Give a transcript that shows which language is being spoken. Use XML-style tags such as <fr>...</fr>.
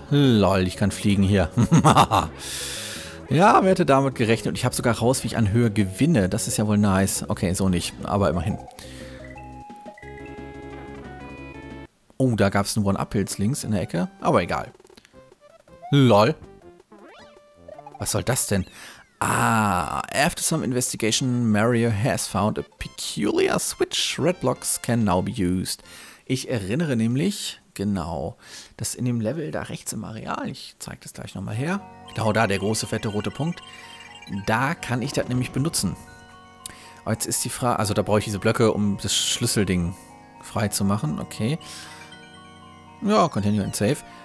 <de>Lol, ich kann fliegen hier. Ja, wer hätte damit gerechnet? Und ich habe sogar raus, wie ich an Höhe gewinne. Das ist ja wohl nice. Okay, so nicht. Aber immerhin. Oh, da gab es einen One-Up-Pilz links in der Ecke. Aber egal. Lol. Was soll das denn?</de> <en>Ah, after some investigation, Mario has found a peculiar switch. Red blocks can now be used.</en> <de>Ich erinnere nämlich, genau, dass in dem Level da rechts im Areal, ich zeige das gleich nochmal her, genau da, der große, fette, rote Punkt, da kann ich das nämlich benutzen. Aber jetzt ist die Frage, also da brauche ich diese Blöcke, um das Schlüsselding frei zu machen, okay. Ja,</de> <en>continue and save.</en>